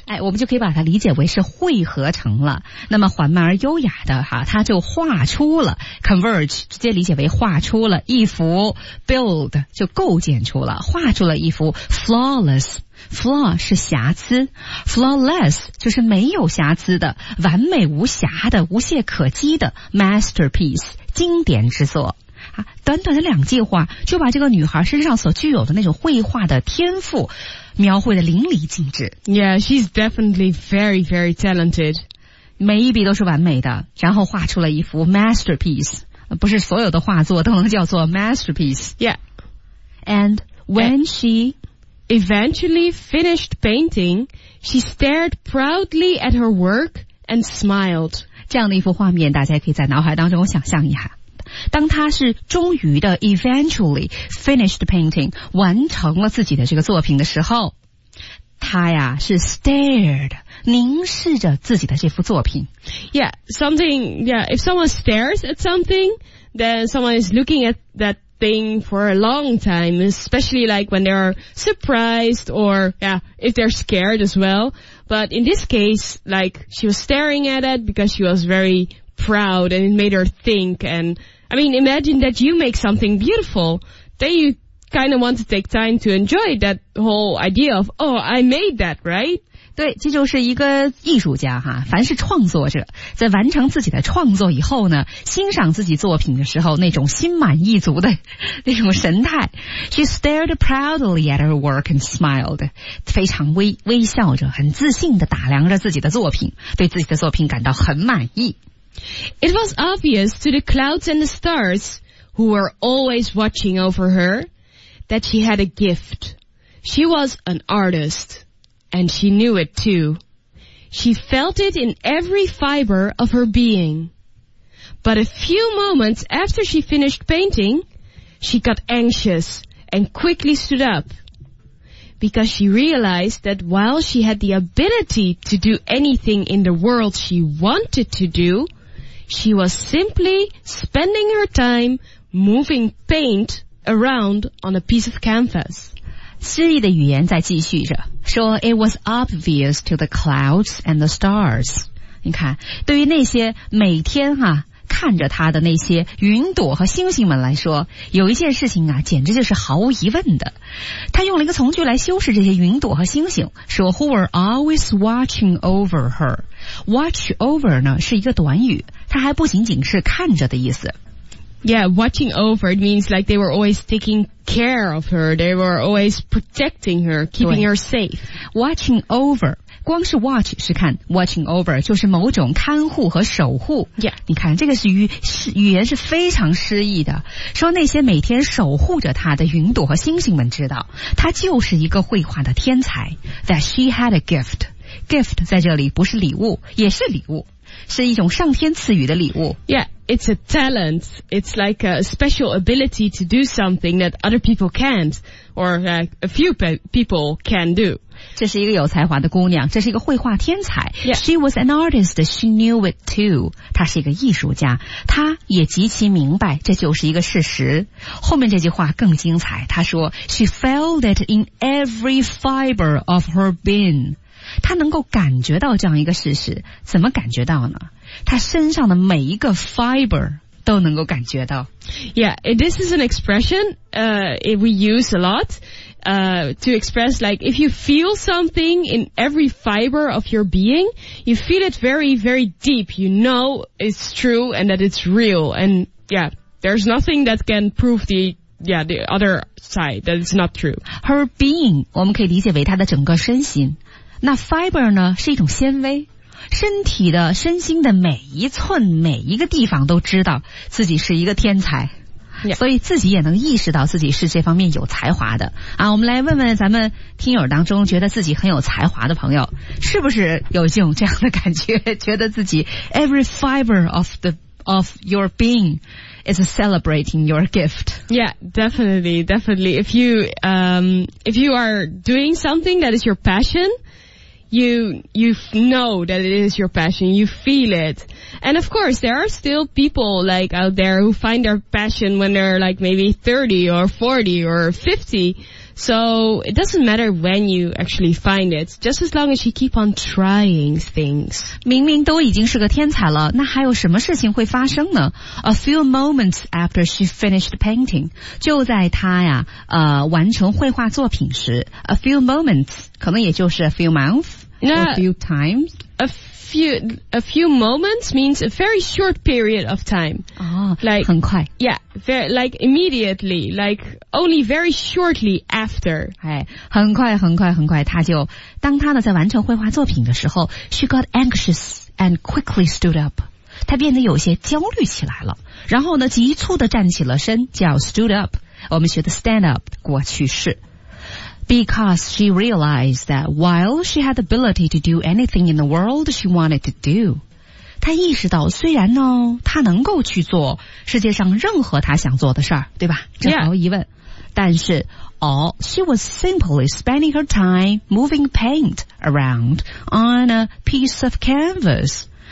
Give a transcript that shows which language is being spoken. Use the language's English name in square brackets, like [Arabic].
[Chinese] 哎，我们就可以把它理解为是汇合成了，那么缓慢而优雅的哈，它就画出了 converge， 直接理解为画出了一幅 build， 就构建出了，画出了一幅 flawless。 Flaw 是瑕疵， flawless 就是没有瑕疵的，完美无瑕的，无懈可击的 masterpiece， 经典之作。短短的两句话就把这个女孩身上所具有的那种绘画的天赋描绘得淋漓尽致。 [English] Yeah, she's definitely very, very talented. [Chinese] 每一笔都是完美的，然后画出了一幅 masterpiece， 不是所有的画作都能叫做 masterpiece. [English] Yeah. And when she... Eventually finished painting, she stared proudly at her work and smiled. [Chinese] 这样的一幅画面大家可以在脑海当中想象一下。当她是终于的 [English] eventually finished painting, [Chinese] 完成了自己的这个作品的时候，她呀是 stared, 凝视着自己的这幅作品。 [English] Yeah, something, yeah, if someone stares at something, then someone is looking at thatfor a long time, especially like when they're surprised or yeah, if they're scared as well. But in this case, like she was staring at it because she was very proud and it made her think. And I mean, imagine that you make something beautiful, then you kind of want to take time to enjoy that whole idea of, oh, I made that, right? [Chinese] 对，这就是一个艺术家哈，凡是创作者在完成自己的创作以后呢，欣赏自己作品的时候那种心满意足的那种神态。 [English] She stared proudly at her work and smiled， [Chinese] 非常微笑着，很自信地打量着自己的作品，对自己的作品感到很满意。 [English] It was obvious to the clouds and the stars who were always watching over her that she had a gift. She was an artistAnd she knew it too. She felt it in every fiber of her being. But a few moments after she finished painting, she got anxious and quickly stood up. Because she realized that while she had the ability to do anything in the world she wanted to do, she was simply spending her time moving paint around on a piece of canvas. [Chinese] 诗意的语言在继续着说 [English] It was obvious to the clouds and the stars. [Chinese] 你看，对于那些每天啊看着他的那些云朵和星星们来说，有一件事情啊简直就是毫无疑问的。他用了一个从句来修饰这些云朵和星星，说 [English] Who were always watching over her. [Chinese] Watch over 呢是一个短语，它还不仅仅是看着的意思。 [English] Yeah, watching over, it means like they were always taking care of her. They were always protecting her, keeping her safe. [Chinese] Watching over, 光是 watch 是看 watching over 就是某种看护和守护。 [English] Yeah. [Chinese] 你看这个是 语言是非常诗意的，说那些每天守护着她的云朵和星星们知道她就是一个绘画的天才。 [English] That she had a gift. [Chinese] Gift 在这里不是礼物，也是礼物，是一种上天赐予的礼物。 [English] Yeah, it's a talent. It's like a special ability to do something that other people can't, or like a few people can do. [Chinese] 这是一个有才华的姑娘，这是一个绘画天才。 [English] Yeah. She was an artist. She knew it too. [Chinese] 她是一个艺术家，她也极其明白，这就是一个事实。后面这句话更精彩，她说 [English] She felt it in every fiber of her being. [Chinese] 他能够感觉到这样一个事实，怎么感觉到呢？他身上的每一个 fiber 都能够感觉到。 [English] Yeah, this is an expression we use a lot to express like if you feel something in every fiber of your being, you feel it very, very deep. You know it's true and that it's real. And yeah, there's nothing that can prove the other side that it's not true. [Chinese] Her being, 我们可以理解为他的整个身心。那 fiber 呢是一种纤维，身体的身心的每一寸每一个地方都知道自己是一个天才、 [English] yeah. [Chinese] 所以自己也能意识到自己是这方面有才华的啊。我们来问问咱们听友当中觉得自己很有才华的朋友，是不是有一种这样的感觉，觉得自己 [English] every fiber of your being is celebrating your gift. Yeah, definitely. If you are doing something that is your passion, you know that it is your passion, you feel it. And of course, there are still people like out there who find their passion when they're like maybe 30 or 40 or 50. So it doesn't matter when you actually find it, just as long as you keep on trying things. [Chinese] 明明都已经是个天才了，那还有什么事情会发生呢？ [English] A few moments after she finished painting, [Chinese] 就在她呀完成绘画作品时， [English] A few moments, [Chinese] 可能也就是 [English] a few months, a few times. A few moments means a very short period of time. Oh, like, [Chinese] 很快。 [English] Yeah, like immediately, like only very shortly after. [Chinese] 哎，很快很快很快，他就，当他呢在完成绘画作品的时候， [English] she got anxious and quickly stood up. [Chinese] 他变得有些焦虑起来了，然后呢急促地站起了身，叫 stood up, 我们学的 stand up, 过去式。 [English] Because she realized that while she had the ability to do anything in the world she wanted to do, [Chinese] 她意识到虽然呢她能够去做世界上任何她想做的事儿，对吧？这毫无疑问。 [English] Yeah. [Chinese] 但是 [English] all she was simply spending her time moving paint around on a piece of canvas.